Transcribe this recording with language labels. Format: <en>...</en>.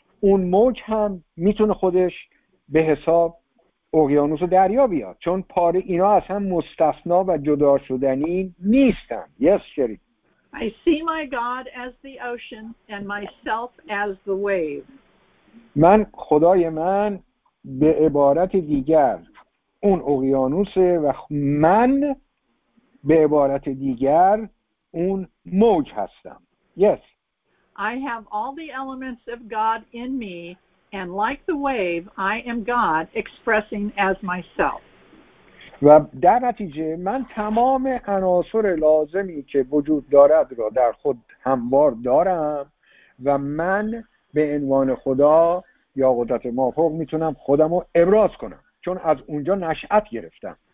<fa>اون موج هم میتونه خودش به حساب اقیانوس و دریا بیاد، چون پاره اینا اصلا مستثنا و جدا شدنی نیستن.</fa> <en>Yes, Sherry. I see my God as the ocean and myself as the wave.</en> <fa>من خدای من به عبارت دیگر اون اقیانوسه و من به عبارت دیگر اون موج هستم.</fa> <en>Yes. I have all the elements of God in me, and like the wave, I am God expressing as myself.</en> <fa>و در نتیجه من تمام عناصر لازمی که وجود دارد را در خود هموار دارم و من به عنوان خدا یا قدرت مافوق میتونم خودم رو ابراز کنم، چون از اونجا نشأت گرفتم.</fa>